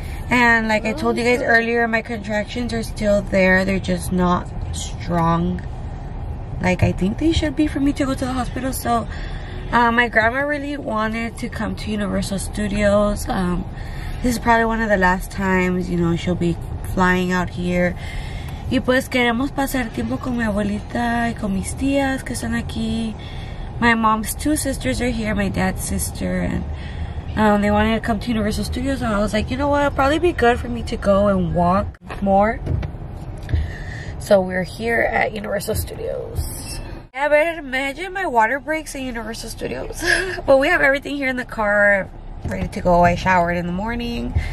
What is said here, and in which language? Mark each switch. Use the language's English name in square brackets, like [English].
[English] And like I told you guys earlier, my contractions are still there, they're just not strong. Like, I think they should be for me to go to the hospital. So, my grandma really wanted to come to Universal Studios. This is probably one of the last times, you know, she'll be flying out here. [Spanish] Y pues queremos pasar tiempo con mi abuelita y con mis tías que están aquí. [English] My mom's two sisters are here, my dad's sister. And they wanted to come to Universal Studios. And I was like, you know what? It'll probably be good for me to go and walk more. So we're here at Universal Studios. Yeah, but imagine my water breaks at Universal Studios. But we have everything here in the car, ready to go. I showered in the morning.